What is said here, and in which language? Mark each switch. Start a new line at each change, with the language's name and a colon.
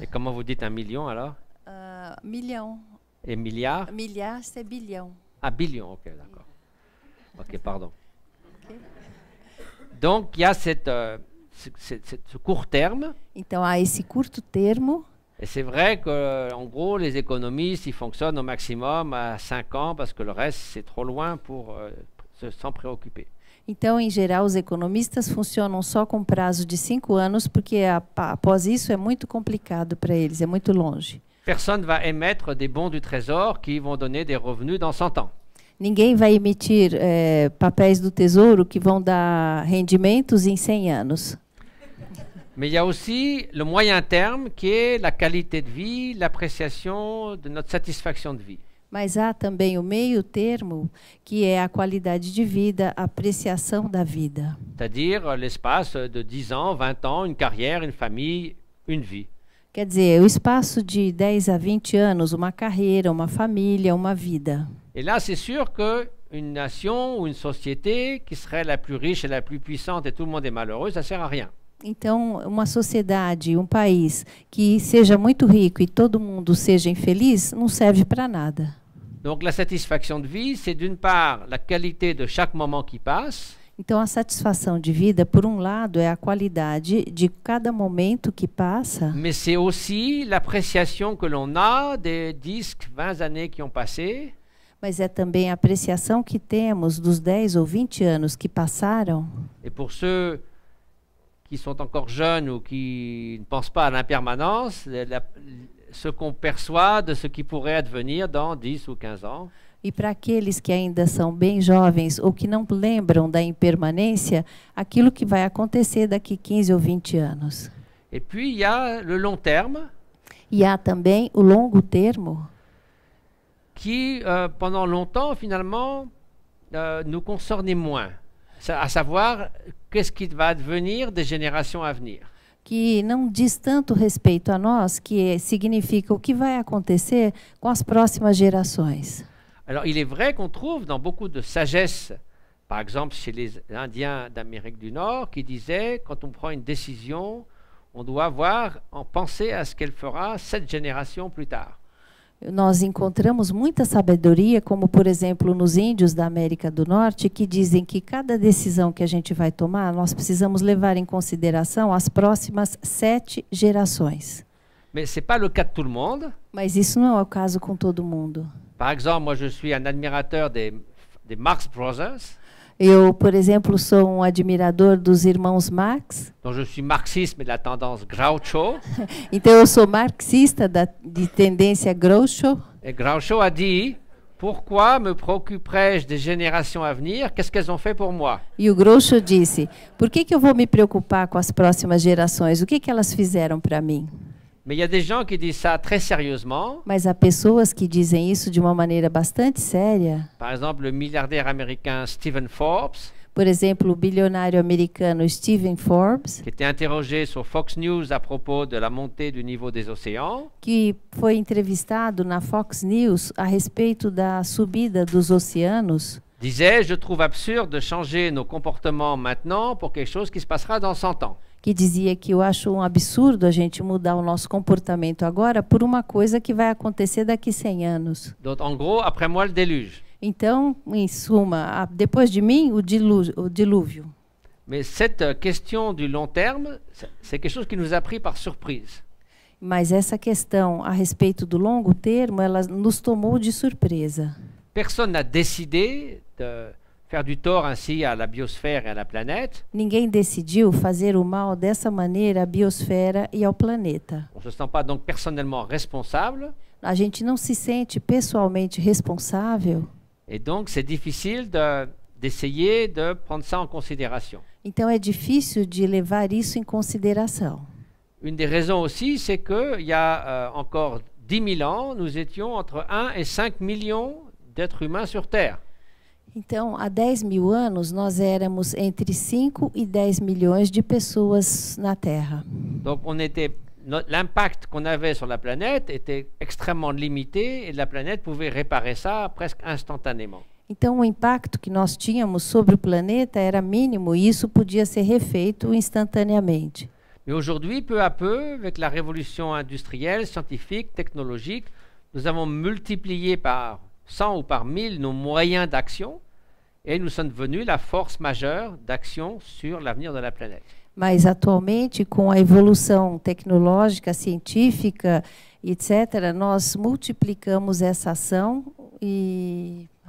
Portuguese: E como
French: vous dites 1 milhão, alors?
Portuguese: Milhão. E milhar?
French: Milhar, c'est bilhão. Ah, bilhão, ok, d'accord. Ok, pardon. Okay. Donc, il y a cette... Ce court terme.
Portuguese: Então há esse curto termo.
French: Et c'est vrai que, en gros, les économistes, ils fonctionnent au maximum à 5 ans parce que le reste, c'est trop loin pour s'en préoccuper.
Portuguese: Então, em geral, os economistas funcionam só com prazo de 5 anos porque após isso é muito complicado para eles, é muito longe.
French: Personne va émettre des bons du trésor qui vont donner des revenus dans 100 ans.
Portuguese: Ninguém vai emitir papéis do tesouro que vão dar rendimentos em 100 anos. Mas há
French: aussi le moyen terme
Portuguese: que é a
French: qualité de vie, l'appréciation de notre satisfaction de vie.
Portuguese: Mas há também o meio termo que é a qualidade de vida, a apreciação da vida.
French: C'est-à-dire l'espace de 10 ans, 20 ans, une carrière, une famille, une vie.
Portuguese: Quer dizer, o espaço de 10 a 20 anos, uma carreira, uma família, uma vida.
French: Et là, c'est sûr que une nation ou une société qui serait la plus riche et la plus puissante et tout le monde est malheureux, ça sert à rien.
Portuguese: Então, uma sociedade, um país que seja muito rico e todo mundo seja infeliz, não serve para nada.
French: Donc la satisfaction de vie, c'est d'une part la qualité de chaque moment qui passe.
Portuguese: Então a satisfação de vida, por um lado, é a qualidade de cada momento que passa.
French: Mais c'est aussi l'appréciation que l'on a des 10, 20 années qui ont passé.
Portuguese: Mas é também a apreciação que temos dos 10 ou 20 anos que passaram.
French: Et pour ceux qui sont encore jeunes ou qui ne pensent pas à l'impermanence, ce qu'on perçoit de ce qui pourrait advenir dans 10 ou 15 ans.
Portuguese: E para aqueles que ainda são bem jovens ou que não lembram da impermanência, aquilo que vai acontecer daqui 15 ou 20 anos.
French: Et puis il y a le long terme.
Portuguese: E há também o longo termo.
French: Qui pendant longtemps finalement nous concerne moins. À savoir qu'est-ce qui va advenir des générations à venir.
Portuguese: Que não diz tanto respeito a nós, que significa o que vai acontecer com as próximas gerações.
French: Alors, il est vrai qu'on trouve dans beaucoup de sagesse, par exemple chez les Indiens d'Amérique du Nord, qui disaient, quand on prend une décision, on doit avoir en penser à ce qu'elle fera 7 générations plus tard.
Portuguese: Nós encontramos muita sabedoria, como por exemplo nos índios da América do Norte, que dizem que cada decisão que a gente vai tomar, nós precisamos levar em consideração as próximas 7 gerações.
French: Mais c'est pas le cas de tout le monde.
Portuguese: Mas isso não é o caso com todo mundo.
French: Par exemple, moi je suis un admirateur des Marx Brothers.
Portuguese: Eu, por exemplo, sou um admirador dos irmãos Marx.
French: Donc je suis marxiste de la tendance Groucho.
Portuguese: Então eu sou marxista de tendência Groucho.
French: Et Groucho a dit: pourquoi me préoccuperais-je des générations à venir? Qu'est-ce qu'elles ont fait pour moi?
Portuguese: E o Groucho disse: por que que eu vou me preocupar com as próximas gerações? O que que elas fizeram para mim?
French: Mais il y a des gens qui disent ça très sérieusement.
Portuguese: Mas há pessoas que dizem isso de uma maneira bastante séria.
French: Par exemple, le milliardaire américain Stephen Forbes.
Portuguese: Por exemplo, o bilionário americano Stephen Forbes.
French: Qui était interrogé sur Fox News à propos de la montée du niveau des océans.
Portuguese: Que foi entrevistado na Fox News a respeito da subida dos oceanos.
French: Disait: je trouve absurde de changer nos comportements maintenant pour quelque chose qui se passera dans 100 ans.
Portuguese: Que dizia que eu acho um absurdo a gente mudar o nosso comportamento agora por uma coisa que vai acontecer daqui 100 anos.
French: Donc, en gros, après moi, le déluge.
Portuguese: Então, em suma, depois de mim, o dilúvio.
French: Mais cette question du long terme, c'est quelque chose qui nous a pris par surprise.
Portuguese: Mas essa questão a respeito do longo termo, ela nos tomou de surpresa.
French: Personne n'a décidé de faire du tort ainsi à la biosphère et à la planète.
Portuguese: Ninguém decidiu fazer o mal dessa maneira à biosfera e ao planeta.
French: On se sent pas donc personnellement responsable.
Portuguese: A gente não se sente pessoalmente responsável.
French: Et donc c'est difficile d'essayer de prendre ça en considération.
Portuguese: Então é difícil de levar isso em consideração.
French: Une des raisons aussi, c'est que il y a encore 10 000 ans, nous étions entre 1 et 5 millions d'êtres humains sur Terre.
Portuguese: Então, há 10 mil anos, nós éramos entre 5 e 10 milhões de pessoas na Terra.
French: Donc, on était, l'impact qu'on avait sur la planète était extrêmement limité et la planète pouvait réparer ça presque instantanément.
Portuguese: Então, o impacto que nós tínhamos sobre o planeta era mínimo e isso podia ser refeito instantaneamente.
French: Mais aujourd'hui, peu à peu, avec la révolution industrielle, scientifique, technologique, nous avons multiplié par 100 ou par 1000 nos moyens d'action et nous sommes devenus la force majeure d'action sur l'avenir de la planète.
Portuguese: Mas atualmente, com a evolução tecnológica, científica, etc., nós multiplicamos essa ação e